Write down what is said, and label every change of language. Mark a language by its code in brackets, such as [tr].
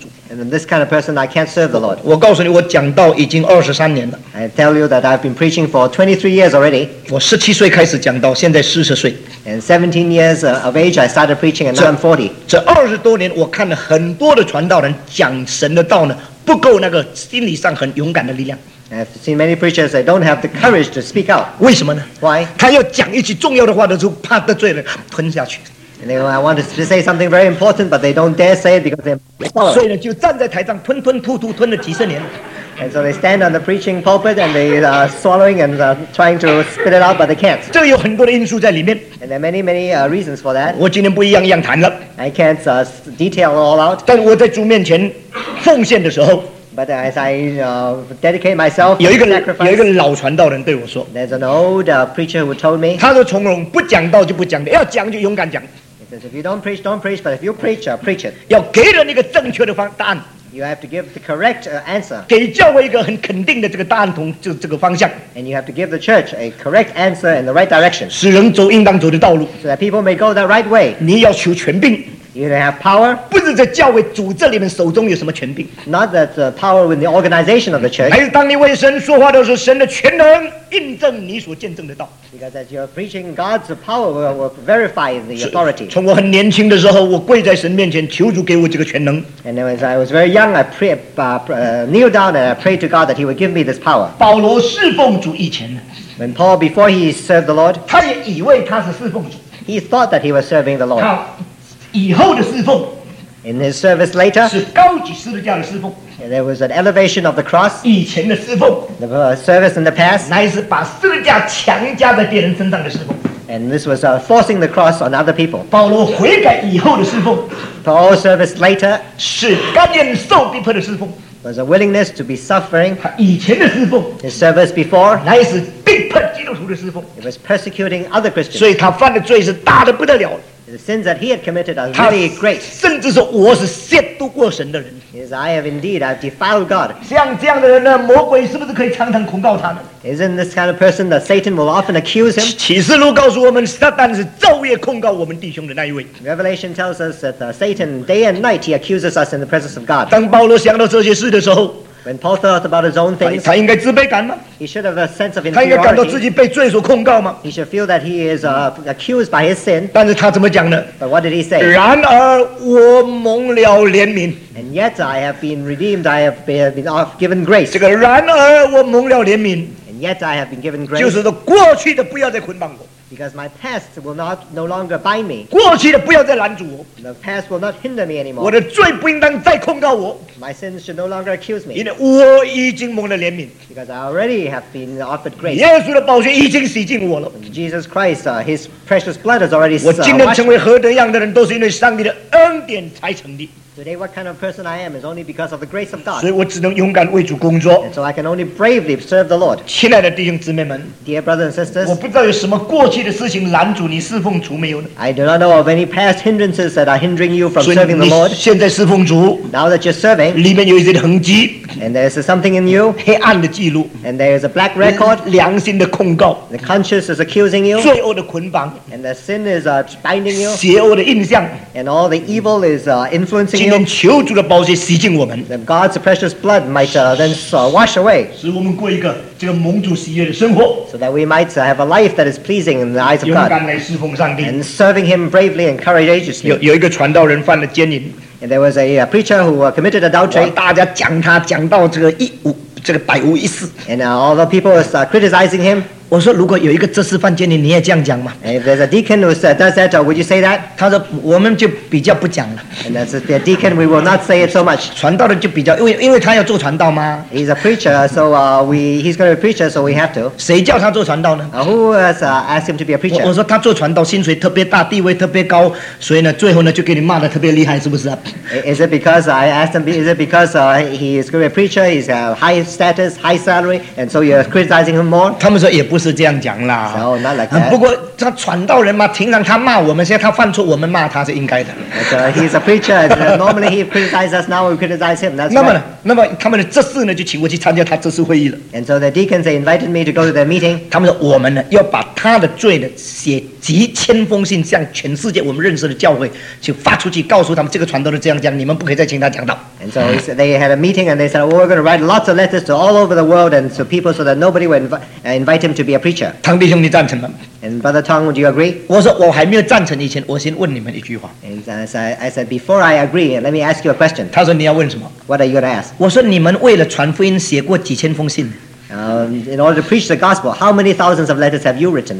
[en] And this kind of person, I can't serve the Lord. [zh] 我告诉你我讲道已经23年了。 [en] I tell you that I've been preaching for 23 years already. [zh] 我17岁开始讲道, 现在40岁。 [en] And 17 years of age, I started preaching, and now I'm 40. [zh] 这20多年，我看了很多的传道人讲神的道呢，不够那个心理上很勇敢的力量。 [en] I've seen many preachers that don't have the courage to speak out. [zh] 为什么呢? [en] Why? [zh] 他要讲一句重要的话的时候，怕得罪人吞下去。 [en] And they go, I want to say something very important, but they don't dare say it because they're. [zh] 所以呢，就站在台上吞吞吐吐吞了几十年。 [en] And so they stand on the preaching pulpit and they are swallowing and trying to spit it out, but they can't. [zh] 这有很多的因素在里面. [en] And there are many, many reasons for that. [zh] 我今天不一样一样谈了. [en] I can't detail all out. [zh] 但我在主面前奉献的时候, [en] but as I dedicate myself to sacrifice, [zh] 有一个老传道人对我说, [en] there's an old preacher who told me, [zh] 他说从容, 不讲道就不讲, 要讲就勇敢讲. [en] He says, if you don't preach, don't preach, but if you preach, preach it. [zh] 要给人一个正确的答案. [en] You have to give the correct answer. [zh] 给教会一个很肯定的这个答案同这个方向. [en] And you have to give the church a correct answer in the right direction. [zh] 使人走应当走的道路. [en] So that people may go the right way. [zh] 你要求权柄. [en] You have power. [zh] 不是在教会组织里面手中有什么权柄. [en] Not that the power within the organization of the church. [zh] 还是当你为神说话的时候，神的全能. 印证你所见证的道. [en] Because as you're preaching, God's power will verify the authority. [zh] 从我很年轻的时候，我跪在神面前求主给我这个全能. [en] And as I was very young, I kneeled down and I prayed to God that He would give me this power. [zh] 保罗侍奉主以前, [en] when Paul, before he served the Lord, [zh] 他也以为他是侍奉主. [en] He thought that he was serving the Lord. [zh] 他以后的侍奉, [en] in his service later, [zh] 是高级十字架的侍奉. [en] There was an elevation of the cross. [zh] 以前的侍奉, [en] the service in the past. [zh] 乃是把十字架强加在别人身上的侍奉. [en] And this was forcing the cross on other people. [zh] 保罗悔改以后的侍奉, [en] Paul's service later. [zh] 是甘愿受逼迫的侍奉. [en] Was a willingness to be suffering. [zh] 他以前的侍奉, [en] his service before. [zh] 乃是逼迫基督徒的侍奉. [en] It was persecuting other Christians. [zh] 所以他犯的罪是大得不得了. [en] The sins that he had committed are really great. [zh] 甚至说我是亵渎过神的人. [en] Is I have indeed, I've defiled God. [zh] 像这样的人呢, 魔鬼是不是可以常常控告他呢? [en] Isn't this kind of person that Satan will often accuse him? [zh] 启示录告诉我们, Satan 是昼夜控告我们弟兄的那一位. [en] Revelation tells us that Satan, day and night, he accuses us in the presence of God. [zh] 当保罗想到这些事的时候, [en] when Paul thought about his own things, [zh] 他应该自卑感吗? [en] He should have a sense of inferiority. He should feel that he is accused by his sin. [zh] 但是他怎么讲呢? [en] But what did he say? [zh] 然而我蒙了怜悯. [en] And yet I have been redeemed, I have been given grace. [zh] 这个然而我蒙了怜悯. [en] And yet I have been given grace. [zh] 就是说过去的不要再捆绑我. [en] Because my past will not no longer bind me. [zh] 过去的不要再拦阻我. [en] The past will not hinder me anymore. [zh] 我的罪不应当再控告我. [en] My sins should no longer accuse me. [zh] 因为我已经蒙了怜悯. [en] Because I already have been offered grace. [zh] 耶稣的宝血已经洗净我了. [en] And Jesus Christ, His precious blood has already washed me. [zh] 我今天成为何等样的人，都是因为上帝的恩典才成的. [en] Today, what kind of person I am is only because of the grace of God. [zh] 所以我只能勇敢为主工作. [en] And so I can only bravely serve the Lord. [zh] 亲爱的弟兄姊妹们, [en] dear brothers and sisters, [zh] 我不知道有什么过去的事情拦阻你侍奉主没有呢? [en] I do not know of any past hindrances that are hindering you from serving the Lord. [zh] 现在侍奉主, [en] now that you're serving, [zh] 里面有一些痕迹, [en] and there's something in you, [zh] 黑暗的记录, [en] and there's a black record, [zh] 良心的控告, [en] the conscience is accusing you, [zh] 罪恶的捆绑, [en] and the sin is binding you, [zh] 邪恶的印象, [en] and all the evil is influencing you. [zh] 今天求主的宝血洗净我们, [en] that God's precious blood might then wash away, [zh] 使我们过一个这个蒙主喜悦的生活, [en] so that we might have a life that is pleasing in the eyes of God, [zh] 勇敢来侍奉上帝, [en] and serving Him bravely and courageously. [zh] 有一个传道人犯了奸淫, [en] and there was a preacher who committed adultery. [zh] 大家讲他讲到这个百无一失, [en] and all the people was criticizing him. [zh] 我说如果有一个执事犯奸淫，你也这样讲吗？ [en] If there's a deacon who does that, would you say that? [zh] 他说我们就比较不讲了。 [en] And as the deacon, we will not say it so much. [zh] 传道的就比较, 因为他要做传道吗？ [en] He's a preacher, so he's going to be a preacher, so we have to. [zh] 谁叫他做传道呢？ [en] Who has asked him to be a preacher? [zh] 我说他做传道薪水特别大，地位特别高， 所以呢最后呢就给你骂得特别厉害，是不是？ [en] Is it because I asked him, is it because he is going to be a preacher, he's a high status, high salary, and so you're criticizing him more? [zh] 他们说 也不是这样讲啦， [en] so, not like that. [zh] 不过他传道人嘛， 平常他骂我们， 现在他犯错， 我们骂他是应该的。 [en] He's a preacher. Normally he criticizes us, now we criticize him. That's [zh] 那么呢, [en] right. [zh] 那么他们的执事呢， 就请我去参加他执事会议了。 [en] And so the deacons invited me to go to their meeting. [zh] 他们说我们呢， 要把他的罪呢写 几千封信， 向全世界我们认识的教会 去发出去， 告诉他们这个传道人这样讲， 你们不可以再请他讲道。 [en] And so they had a meeting, and they said, well, we're going to write lots of letters to all over the world, and to people, so that nobody will invite him to be a preacher. [zh] 唐弟兄你赞成吗？ [en] And Brother Tong, do you agree? [zh] 我说我还没有赞成以前， 我先问你们一句话。 [en] And I said, before I agree, let me ask you a question. [zh] 他说你要问什么？ [en] What are you going to ask? [zh] 我说你们为了传福音写过几千封信？ [en] In order to preach the gospel, how many thousands of letters have you written?